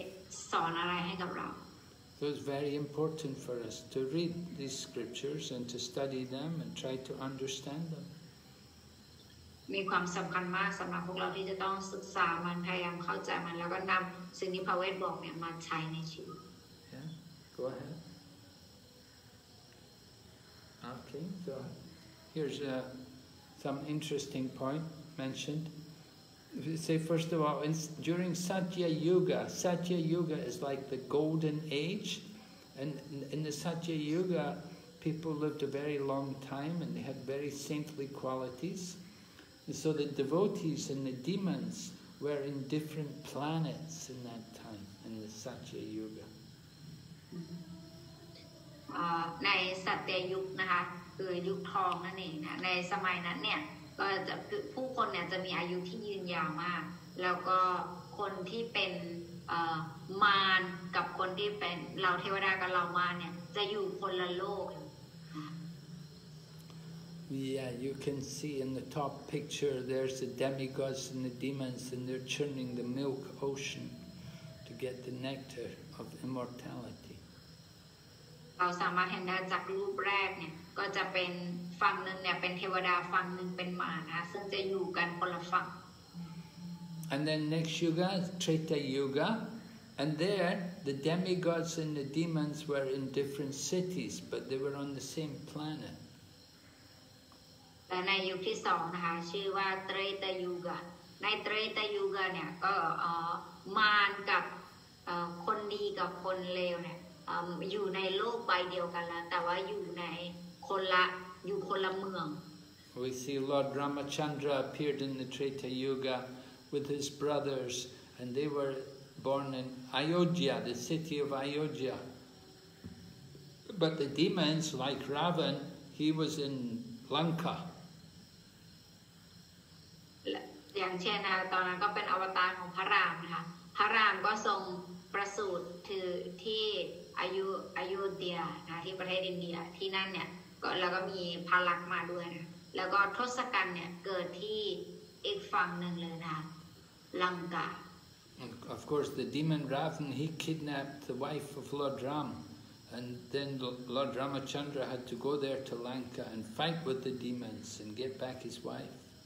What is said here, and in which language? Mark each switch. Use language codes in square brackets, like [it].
[en] So it's very important for us to read these scriptures and to study them and try to understand them. [th] มีความสำคัญมากสำหรับพวกเราที่จะต้องศึกษามันพยายามเข้าใจมันแล้วก็นำสิ่งที่พระเวทบอกเนี่ยมาใช้ในชีวิต [en] Yeah, go ahead. Okay, so here's some interesting point mentioned. Say first of all, during Satya Yuga is like the golden age, and in the Satya Yuga, people lived a very long time and they had very saintly qualities. And so the devotees and the demons were in different planets in that time in the Satya Yuga. [th] ในสัตยยุคนะคะคือยุคทองนั่นเองนะในสมัยนั้นเนี่ยก็จะผู้คนเนี่ยจะมีอายุที่ยืนยาวมากแล้วก็คนที่เป็นมารกับคนที่เป็นเราเทวดากับเรามารเนี่ยจะอยู่คนละโลก [en] Yeah, you can see in the top picture there's the demigods and the demons and they're churning the milk ocean to get the nectar of immortality. [th] เราสามารถเห็นได้จากรูปแรกเนี่ยก็จะเป็นฝั่งหนึ่งเนี่ยเป็นเทวดาฝั่งหนึ่งเป็นมารนะซึ่งจะอยู่กันคนละฝั่ง [en] And then next yuga Treta Yuga and there the demigods and the demons were in different cities but they were on the same planet [th] และในยุคที่สองนะคะชื่อว่าเตรตยุกะในเตรตยุกะเนี่ยก็มารกับคนดีกับคนเลวเนี่ยอยู่ในโลกใบเดียวกันแล้วแต่ว่าอยู่ในคนละอยู่คนละเมือง [en] We see Lord Ramachandra appeared in the Treta Yuga with his brothers and they were born in Ayodhya the city of Ayodhya but the demons like Ravan he was in Lanka [th] อย่างเช่นตอนนั้นก็เป็นอวตารของพระรามนะคะพระรามก็ทรงประสูติที่อายุเดียนะที่ประเทศอินเดียที่นั่นเนี่ยก็แล้วก็มีพาลักมาด้วยนะแล้วก็ทศกัณฐ์เนี่ยเกิดที่อีกฝั่งหนึ่งเลยนะลังกา [en] Of course the demon Ravan he kidnapped the wife of Lord Ram and then Lord Ramachandra had to go there to Lanka and fight with the demons and get back his wife